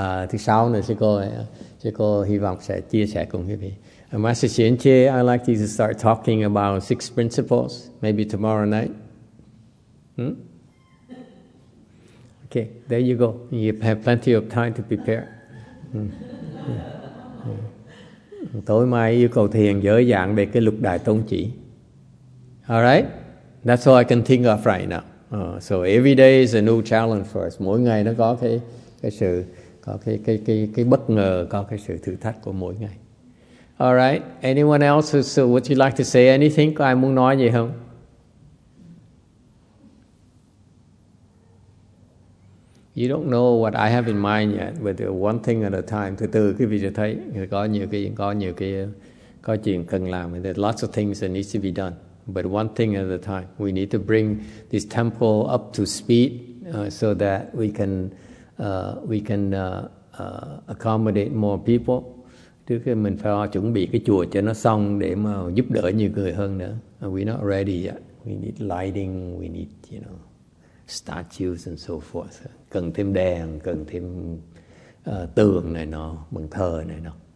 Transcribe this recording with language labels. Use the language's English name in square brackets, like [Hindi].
[Vietnamese] Thứ sáu này sư cô hy vọng sẽ chia sẻ cùng quý vị. [English] Master Xuyên Chê, I'd like you to start talking about six principles, maybe tomorrow night. Okay, there you go. You have plenty of time to prepare. [Vietnamese] Tối mai yêu cầu thiền dở dạng về cái lục đại tôn chỉ. [English] Alright? That's all I can think of right now. So every day is a new challenge for us. [Vietnamese] Mỗi ngày nó có cái sự... có cái bất ngờ, có cái sự thử thách của mỗi ngày. [English] All right, anyone else who would you like to say anything? [Vietnamese] Có ai muốn nói gì không? [English] You don't know what I have in mind yet, but one thing at a time. [Vietnamese] Từ từ quý vị sẽ thấy có chuyện cần làm. [English] There's lots of things that needs to be done, but one thing at a time. We need to bring this temple up to speed so that we can accommodate more people. [Vietnamese] Trước khi mình phải chuẩn bị cái chùa cho nó xong để mà giúp đỡ nhiều người hơn nữa. [English] We're not ready yet. We need lighting, we need, you know, statues and so forth. [Vietnamese] Cần thêm đèn, cần thêm tường này nọ, bàn thờ này nọ.